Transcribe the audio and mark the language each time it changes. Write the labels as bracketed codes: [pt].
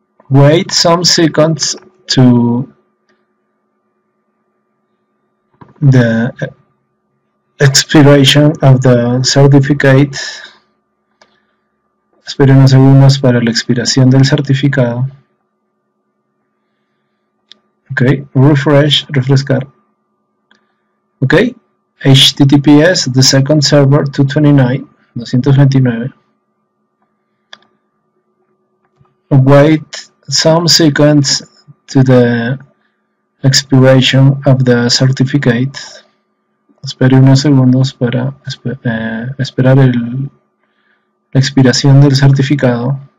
[en] Wait some seconds to the expiration of the certificate. [es] Espera unos segundos para la expiración del certificado. [en] Ok, refresh, refrescar. Ok, HTTPS, the second server, 229.229. Wait some seconds to the expiration of the certificate. [es] Espera unos segundos para esperar el la expiración del certificado.